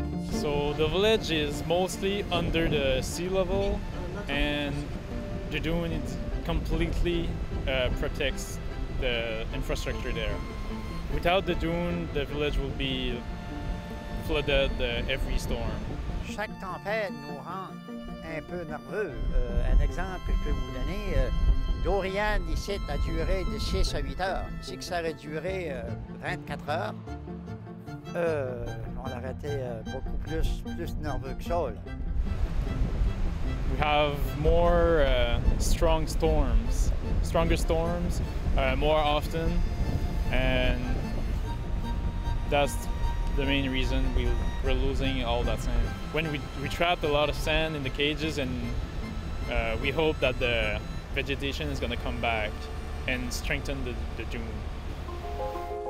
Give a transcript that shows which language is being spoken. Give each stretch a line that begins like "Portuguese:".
English: So the village is mostly under the sea level, and the dune it completely protects the infrastructure there. Without the dune, the village will be flooded every storm.
French: Chaque tempête nous rend un peu nerveux. Un exemple que je peux vous donner, Dorian ici a duré de 6 à 8 heures. C'est que ça aurait duré 24 heures. On aurait été beaucoup plus nerveux que ça. Là.
English: We have more strong storms, stronger storms, more often, and that's the main reason we're losing all that sand. When we trapped a lot of sand in the cages, and we hope that the vegetation is going to come back and strengthen the dune.